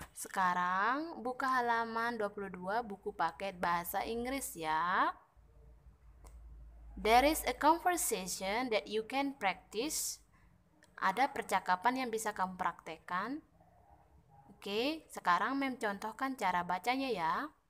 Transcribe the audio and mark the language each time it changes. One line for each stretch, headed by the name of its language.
Indonesian: Sekarang buka halaman 22 buku paket bahasa Inggris ya.
English: There is a conversation that you can practice.
Indonesian: Ada percakapan yang bisa kamu praktekkan. Oke, sekarang mem contohkan cara bacanya ya.